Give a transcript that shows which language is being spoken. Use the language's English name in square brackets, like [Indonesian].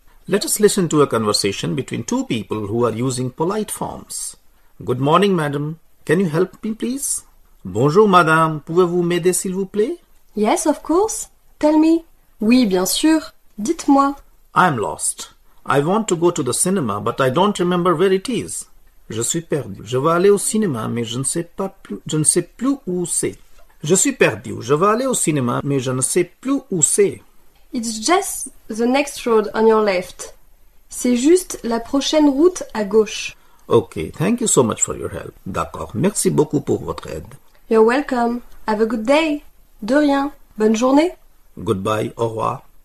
[English] Let us listen to a conversation between two people who are using polite forms. Good morning, madam. Can you help me, please? [French] Bonjour, madame. Pouvez-vous m'aider, s'il vous plaît? [English] Yes, of course. Tell me. [French] Oui, bien sûr. Dites-moi. [English] I'm lost. I want to go to the cinema, but I don't remember where it is. [French] Je suis perdu. Je veux aller au cinéma, mais je ne sais pas plus. Je ne sais plus où c'est. Je suis perdu. Je veux aller au cinéma, mais je ne sais plus où c'est. [English] It's just the next road on your left. [French] C'est juste la prochaine route à gauche. [English] Ok, thank you so much for your help. [French] D'accord, merci beaucoup pour votre aide. [English] You're welcome. Have a good day. [French] De rien. Bonne journée. [English] Goodbye, [French] au revoir.